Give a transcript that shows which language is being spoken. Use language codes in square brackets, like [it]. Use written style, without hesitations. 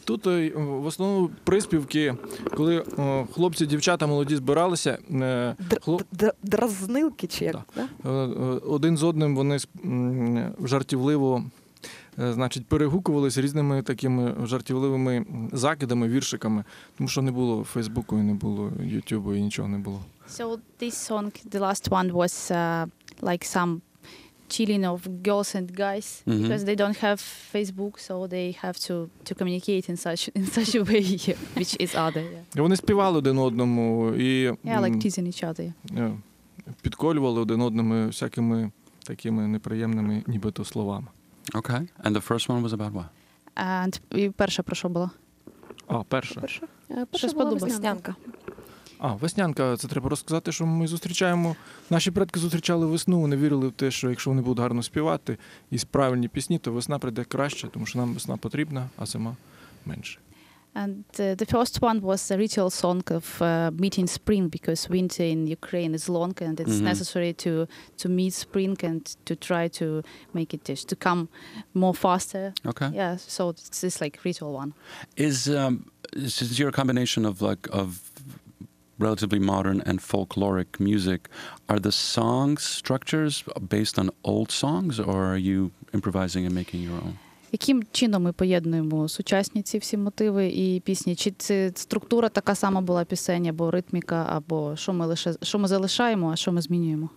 [uk] Тут в основному приспівки, коли хлопці, дівчата, молоді збиралися. Дразнилки чи як? Один з одним вони жартівливо, значить, перегукувалися різними такими жартівливими закидами, віршиками. Тому що не було Фейсбуку, не було Ютубу і нічого не було. [en] So this song, the last one, was like some chilling of girls and guys, mm-hmm. because they don't have Facebook, so they have to communicate in such a way, which is other. Yeah. [uk] Вони співали один одному і [en] like teasing each other. [uk] Підколювали один одному всякими такими неприємними нібито словами. [en] Okay. And the first one was about what? And [uk] перша про що була? А, перша. Перша була веснянка. А, веснянка, це треба розказати, що ми зустрічаємо. Наші предки зустрічали весну, вони вірили в те, що якщо вони будуть гарно співати і з правильні пісні, то весна прийде краще, тому що нам весна потрібна, а зима менше. [en] And the first one was a ritual song of meeting spring, because winter in Ukraine is long and it's mm-hmm. necessary to meet spring and to try to make it to come more faster. Okay. Yeah, so it's this like ritual one. Is since you're a combination of relatively modern and folkloric music, are the song structures based on old songs, or are you improvising and making your own? [uk] Яким чином ми поєднуємо сучасні ці всі мотиви і пісні? Чи це структура така сама була пісень, або ритміка, або що ми залишаємо, а що ми змінюємо?